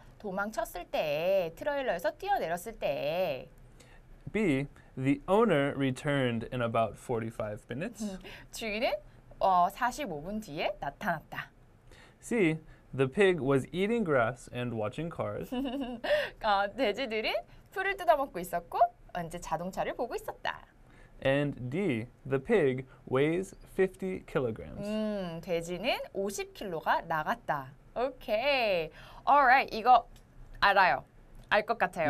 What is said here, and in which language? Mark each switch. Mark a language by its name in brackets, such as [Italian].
[Korean] 도망쳤을 때, 트레일러에서 뛰어내렸을 때. [English] B. The owner returned in about 45 minutes. [Korean] 주인은 45분 뒤에 나타났다. [English] C. The pig was eating grass and watching cars. [Korean] 돼지들은 풀을 뜯어먹고 있었고 이제 자동차를 보고 있었다. [English] And D. The pig weighs 50 kilograms. [Korean] 돼지는 50kg가 나갔다. [English] Okay. All right. [Korean] 이거 알아요. 알 것 같아요.